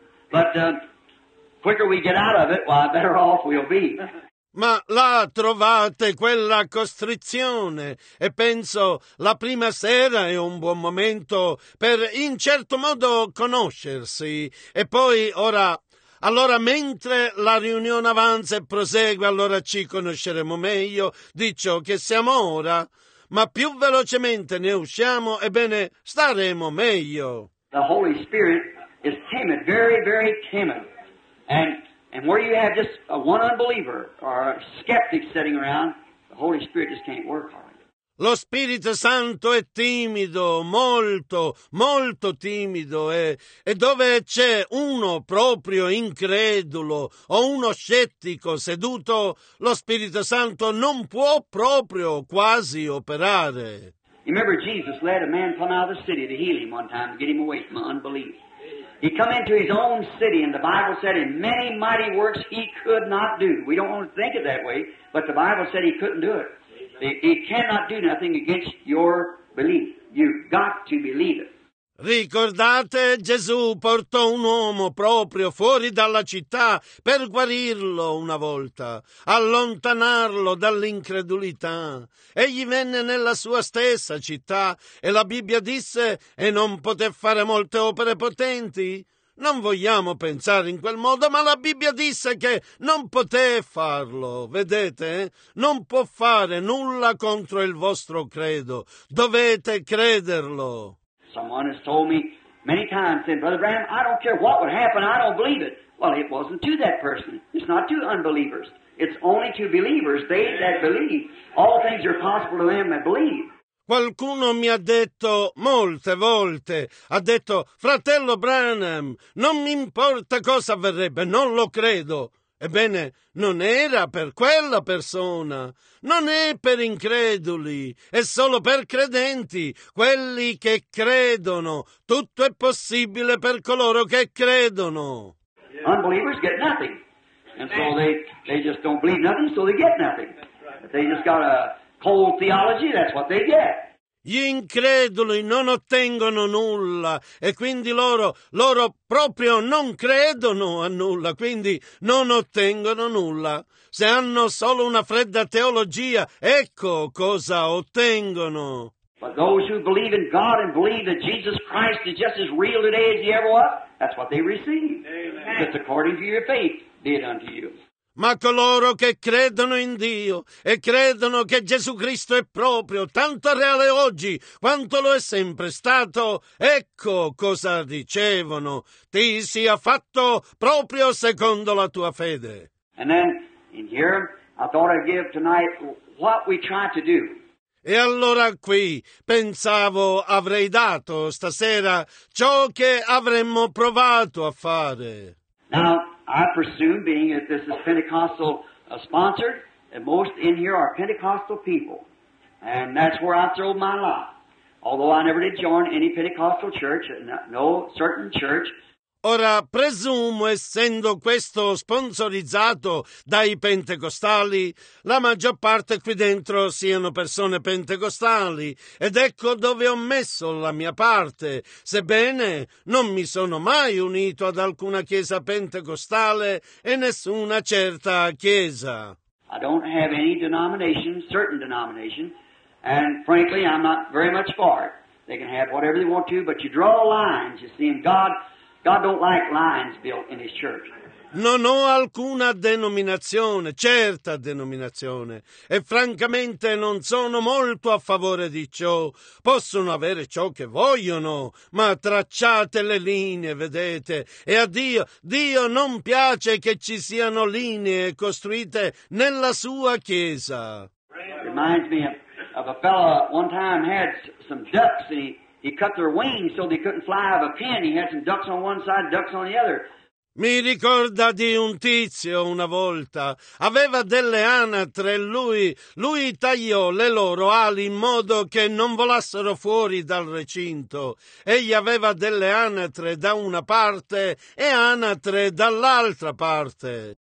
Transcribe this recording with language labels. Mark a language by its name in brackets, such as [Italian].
[English] But the quicker we get out of it, well, the better off we'll be. [Italian] Ma là trovate quella costrizione e penso la prima sera è un buon momento per in certo modo conoscersi e poi ora, allora mentre la riunione avanza e prosegue allora ci conosceremo meglio di ciò che siamo ora, ma più velocemente ne usciamo ebbene staremo meglio. [English] The Holy Spirit is timid, very, very timid. And where you have just one unbeliever or a skeptic sitting around, the Holy Spirit just can't work hard. Lo Spirito Santo è timido, molto, molto timido e dove c'è uno proprio incredulo o uno scettico seduto, lo Spirito Santo non può proprio quasi operare. You remember Jesus led a man come out of the city to heal him one time to get him away from unbelief. He come into his own city, and the Bible said in many mighty works he could not do. We don't want to think it that way, but the Bible said he couldn't do it. He cannot do nothing against your belief. You've got to believe it. [Italian] Ricordate, Gesù portò un uomo proprio fuori dalla città per guarirlo una volta, allontanarlo dall'incredulità. Egli venne nella sua stessa città e la Bibbia disse «e non poté fare molte opere potenti». Non vogliamo pensare in quel modo, ma la Bibbia disse che non poté farlo, vedete? Non può fare nulla contro il vostro credo, dovete crederlo. [English] Someone has told me many times, said, Brother Branham, I don't care what would happen, I don't believe it. Well, it wasn't to that person. It's not to unbelievers. It's only to believers, they that believe. All things are possible to them that believe. [Italian] Qualcuno mi ha detto molte volte, ha detto, Fratello Branham, non mi importa cosa avverrebbe, non lo credo. Ebbene, non era per quella persona, non è per increduli, è solo per credenti, quelli che credono. Tutto è possibile per coloro che credono. [English] Unbelievers get nothing. And so they just don't believe nothing, so they get nothing. If they just got a cold theology, that's what they get. [Italian] Gli increduli non ottengono nulla e quindi loro proprio non credono a nulla, quindi non ottengono nulla. Se hanno solo una fredda teologia, ecco cosa ottengono. [English] But those who believe in God and believe that Jesus Christ is just as real today as he ever was, that's what they receive. Amen. It's according to your faith, be it unto you. [Italian] Ma coloro che credono in Dio e credono che Gesù Cristo è proprio tanto reale oggi quanto lo è sempre stato, ecco cosa ricevono. Ti sia fatto proprio secondo la tua fede. [English] And then in here I thought I'd give tonight what we try to do. [Italian] E allora qui pensavo avrei dato stasera ciò che avremmo provato a fare. [English] Now, I presume, being that this is Pentecostal sponsored, that most in here are Pentecostal people. And that's where I throw my lot. Although I never did join any Pentecostal church, no certain church. [Italian] Ora, presumo, essendo questo sponsorizzato dai pentecostali, la maggior parte qui dentro siano persone pentecostali, ed ecco dove ho messo la mia parte, sebbene non mi sono mai unito ad alcuna chiesa pentecostale e nessuna certa chiesa. [English] I don't have any denomination, certain denomination, and frankly I'm not very much for it. They can have whatever they want to, but you draw lines, you see, and God don't like lines built in his church. [Italian] Non ho alcuna denominazione, certa denominazione, e francamente non sono molto a favore di ciò. Possono avere ciò che vogliono, ma tracciate le linee, vedete, e a Dio, Dio non piace che ci siano linee costruite nella sua Chiesa. [English] Reminds me of a fella one time had some ducks and he cut their wings so they couldn't fly out of a pen. He had some ducks on one side, ducks on the other. [Italian] Mi ricorda di un tizio una volta, aveva delle anatre e lui tagliò le loro ali in modo che non volassero fuori dal recinto. Egli aveva delle anatre da una parte e anatre dall'altra parte.